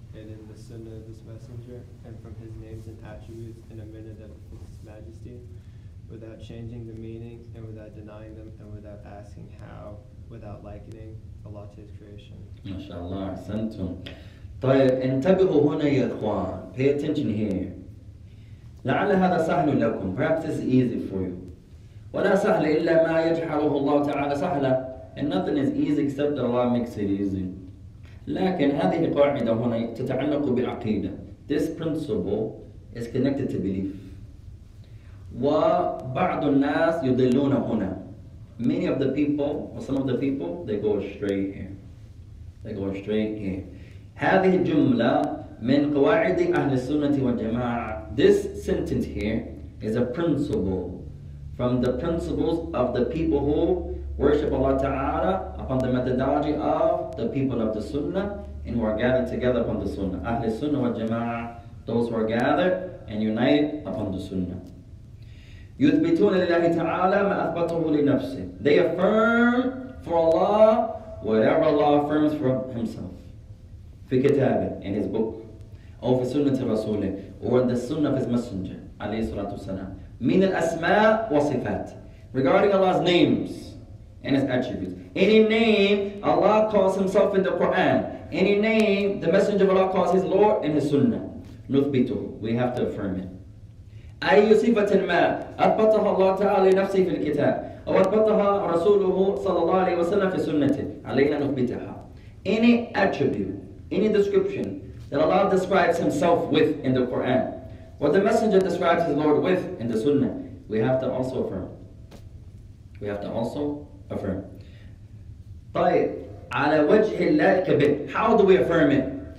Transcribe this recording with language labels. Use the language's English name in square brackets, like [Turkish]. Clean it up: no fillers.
[English] And in the Sunnah of His Messenger, and from His names and attributes, in a manner that befits His Majesty, without changing the meaning, and without denying them, and without asking how, without likening Allah to His creation. MashaAllah, Santum. [Arabic] طيب انتبهوا هنا يا إخوان. [English] Pay attention here. [Arabic] لعل هذا سهل لكم. [English] Perhaps this is easy for you. [Arabic] ولا سهل إلا ما يجعله الله تعالى سهلا. [English] And nothing is easy except that Allah makes it easy. [Arabic] لكن هذه القاعدة هنا تتعلق بالعقيدة. [English] This principle is connected to belief. [Arabic] وبعض الناس يضلون هنا. [English] Many of the people, or some of the people, they go astray here. They go astray here. [Arabic] هذه الجملة من قواعد أهل السنة والجماعة. [English] This sentence here is a principle from the principles of the people who worship Allah Ta'ala upon the methodology of the people of the Sunnah and who are gathered together upon the Sunnah. Ahl Sunnah wa Jama'ah, those who are gathered and unite upon the Sunnah. [Arabic] يُثْبِتُونَ لِلَّهِ تَعَالَى مَا أَثْبَتُهُ لِنَفْسِهِ. [English] They affirm for Allah whatever Allah affirms for Himself. [Arabic] فِي كِتَابِهِ, [English] in His book. [Arabic] أو فِي سُنَّةِ رَسُولِهِ, [English] or in the sunnah of His messenger, [Arabic] عليه الصلاة والسلام. مِنْ الْأَسْمَاءِ وَصِفَاتِ, [English] regarding Allah's names and His attributes. Any name Allah calls Himself in the Quran, any name the Messenger of Allah calls His Lord in His sunnah, [Arabic] نُثْبِتُهُ, [English] we have to affirm it. [Arabic] أي صفة ما أثبتها الله تعالى لنفسه في الكتاب أو أثبتها رسوله صلى الله عليه وسلم في سنته علينا نثبتها. [English] Any attribute, any description that Allah describes Himself with in the Quran, what the Messenger describes His Lord with in the Sunnah, we have to also affirm. We have to also affirm. [Arabic] طيب على وجه اللائق به, [English] how do we affirm it?